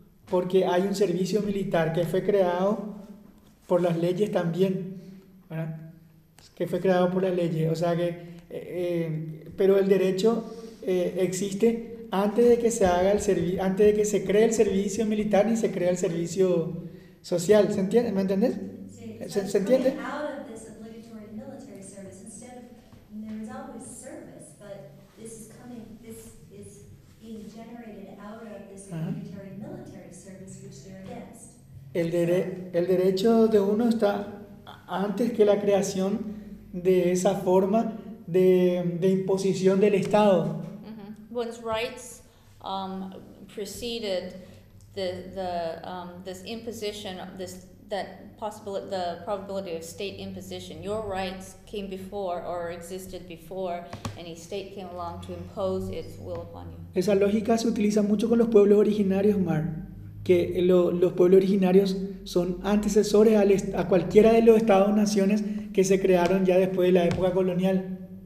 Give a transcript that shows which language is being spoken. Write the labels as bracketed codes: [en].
[es] Porque hay un servicio militar que fue creado por las leyes también, ¿verdad? Que fue creado por las leyes, o sea que pero el derecho existe antes de que se cree el servicio militar ni se crea el servicio social, ¿se entiende? ¿Me entendés? Sí. ¿Se entiende? [en] Out of this obligatory military service, instead of, and there is always service, but this is coming, this is being generated out of this obligatory military service, which they're against. [es] El derecho de uno está antes que la creación de esa forma de imposición del Estado. [en] One's rights preceded this imposition, the probability of state imposition. Your rights came before or existed before any state came along to impose its will upon you. [es] Esa lógica se utiliza mucho con los pueblos originarios, Mar, que los pueblos originarios son antecesores a cualquiera de los estados naciones que se crearon ya después de la época colonial.